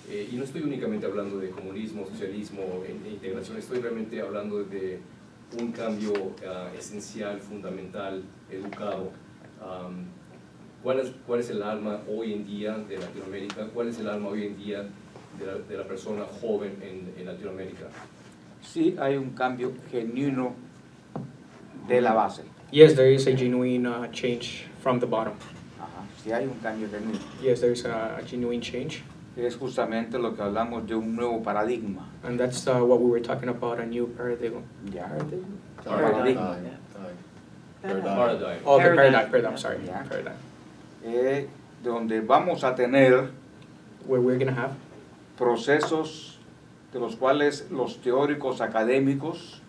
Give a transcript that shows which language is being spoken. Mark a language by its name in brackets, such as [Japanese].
[Spanish] Y no estoy únicamente hablando de comunismo, socialismo, integración, estoy realmente hablando de un cambio esencial, fundamental, educado. ¿Cuál es el alma hoy en día de Latinoamérica? ¿Cuál es el alma hoy en día de la persona joven en Latinoamérica? Sí, hay un cambio genuino de la base. [English] Yes, there is a genuine change from the bottom. [Spanish] Ajá, sí hay un cambio genuino. [English] Yes, there is a genuine change. [Spanish] Es justamente lo que hablamos de un nuevo paradigma. [English] And that's what we were talking about, a new paradigm. Yeah. Paradigm. Paradigm. Oh, paradigm, sorry. Yeah. Paradigm. [Spanish] Donde vamos a tener... [English] Where we're going to have... [Spanish] Procesos de los cuales los teóricos académicos...